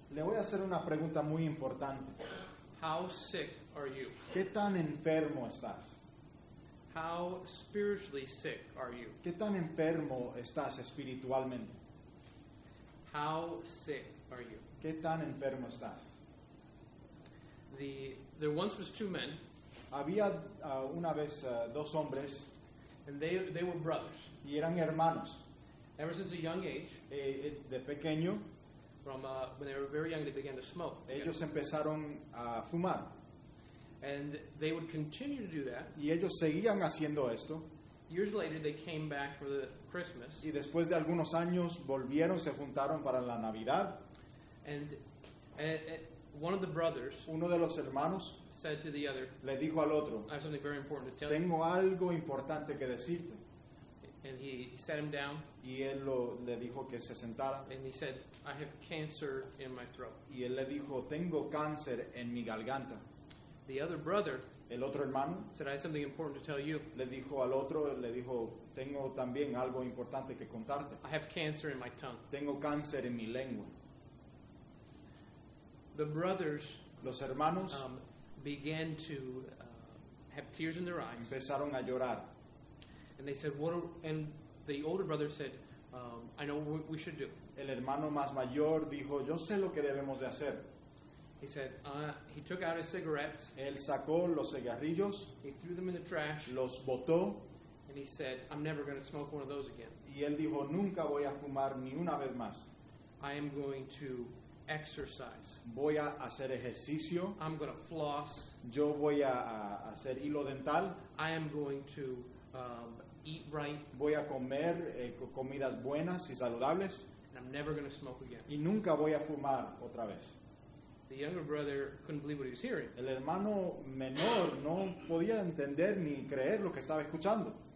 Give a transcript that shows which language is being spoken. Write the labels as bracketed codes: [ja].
[es] Le voy a hacer una pregunta muy importante. [en] How sick are you? [es] ¿Qué tan enfermo estás? [en] How spiritually sick are you? [es] ¿Qué tan enfermo estás espiritualmente? [en] How sick are you? [es] ¿Qué tan enfermo estás? [en] There once was two men. [es] Había una vez dos hombres. [en] And they were brothers. [es] Y eran hermanos. [en] Ever since a young age. [es] De pequeño. [en] From when they were very young, they began to smoke. [es] Ellos empezaron a fumar. [en] And they would continue to do that. [es] Y ellos seguían haciendo esto. [en] Years later, they came back for the Christmas. [es] Y después de algunos años volvieron, se juntaron para la Navidad. [en] And one of the brothers, [es] uno de los hermanos, [en] said to the other, [es] le dijo al otro, [en] I have something very important to tell [es] tengo [en] you. [es] Algo importante que decirte. [en] And he sat him down. [es] Y él le dijo que se sentara. [en] And he said, I have cancer in my throat. [es] Y él le dijo, tengo cáncer en mi garganta. [en] The other brother, [es] el otro hermano, [en] said, I have something important to tell you. [es] Le dijo al otro, le dijo, tengo también algo importante que contarte. [en] I have cancer in my tongue. [es] Tengo cáncer en mi lengua. [en] The brothers, [es] los hermanos, [en] began to have tears in their eyes. [es] Empezaron a llorar. [en] And they said, "What?" And the older brother said, "I know what we should do." [es] El hermano más mayor dijo, "Yo sé lo que debemos de hacer." [en] He said, he took out his cigarettes. [es] Él sacó los cigarrillos. [en] He threw them in the trash. [es] Los botó. [en] And he said, I'm never going to smoke one of those again. [es] Y él dijo, nunca voy a fumar ni una vez más. [en] I am going to exercise. [es] Voy a hacer ejercicio. [en] I'm going to floss. [es] Yo voy a hacer hilo dental. [en] I am going to eat right. [es] Voy a comer comidas buenas y saludables. [en] And I'm never going to smoke again. [es] Y nunca voy a fumar otra vez. [en] The younger brother couldn't believe what he was hearing. [es] El hermano menor no podía entender ni creer lo que estaba escuchando.